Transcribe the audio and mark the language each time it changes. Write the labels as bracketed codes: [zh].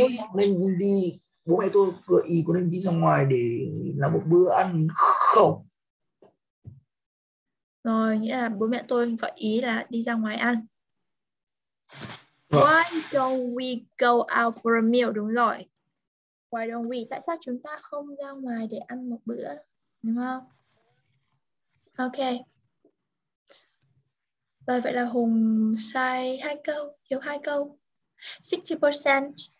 [vi] ý nên đi, bố mẹ tôi gợi ý có nên đi ra ngoài để làm một bữa ăn không? Rồi, nghĩa là bố mẹ tôi gợi ý là đi ra ngoài ăn. [en] Why don't we go out for a meal? Đúng rồi. Why don't we? [vi] Tại sao chúng ta không ra ngoài để ăn một bữa? Đúng không? Ok. Rồi, vậy là Hùng sai hai câu, thiếu hai câu. 60%.